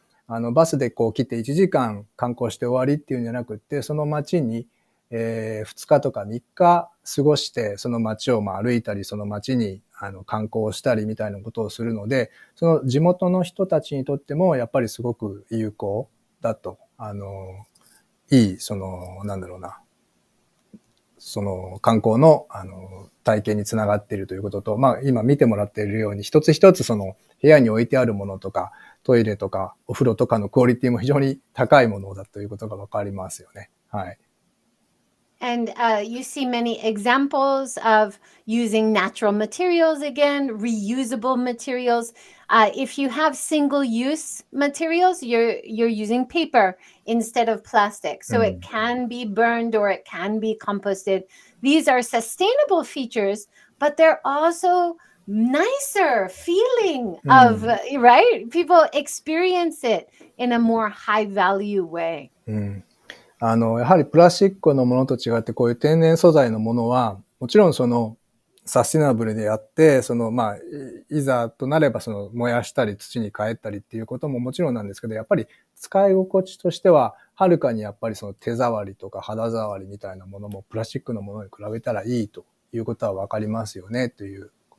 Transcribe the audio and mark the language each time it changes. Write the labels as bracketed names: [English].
[Japanese] あの、バスでこう来て1時間観光して終わりっていうんじゃなくって、その街に、2日とか3日過ごして、その街をまあ歩いたり、その街にあの観光したりみたいなことをするので、その地元の人たちにとっても、やっぱりすごく有効だと、あの、いい、その、なんだろうな、その観光の、あの、体験につながっているということと、まあ今見てもらっているように、一つ一つその、部屋に置いてあるものとか、トイレとか、お風呂とかのクオリティも非常に高いものだということがわかりますよね。はい。 [English] And you see many examples of using natural materials again, reusable materials. If you have single-use materials, you're using paper instead of plastic. So it can be burned or it can be composted. These are sustainable features, but they're also... nicer feeling of, right? People experience it in a more high value way. [Japanese] あの、やはりプラスチックのものと違って、こういう天然素材のものは、もちろんそのサスティナブルであって、そのまあ、いざとなればその燃やしたり土に変えたりっていうことももちろんなんですけど、やっぱり使い心地としては、はるかにやっぱりその手触りとか肌触りみたいなものもプラスチックのものに比べたらいいということはわかりますよね、という。